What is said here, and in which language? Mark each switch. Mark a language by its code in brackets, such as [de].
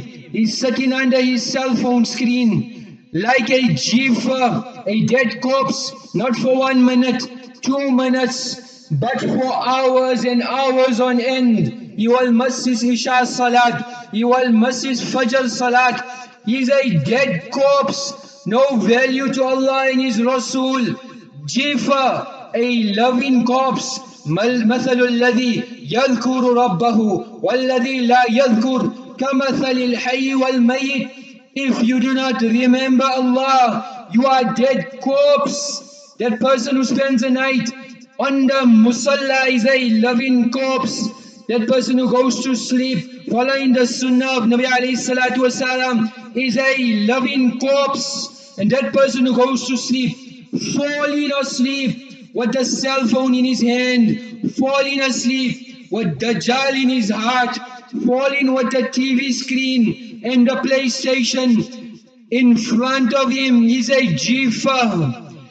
[en] He's sitting under his cell phone screen like a jifa, a dead corpse, not for 1 minute, 2 minutes, but for hours and hours on end. He will miss his Isha Salat. He will miss his Fajr Salat. He's a dead corpse, no value to Allah and His Rasul. Jifa, a loving corpse. [ar] مثل الذي يذكر ربه والذي لا يذكر كمثل الحي والميت. [en] If you do not remember Allah, you are a dead corpse. That person who spends the night on the musalla is a loving corpse. That person who goes to sleep following the sunnah of Nabi alayhi salatu wasalam is a loving corpse. And that person who goes to sleep falling asleep with a cell phone in his hand, falling asleep with Dajjal in his heart, falling with a TV screen and a PlayStation in front of him, is a jifa.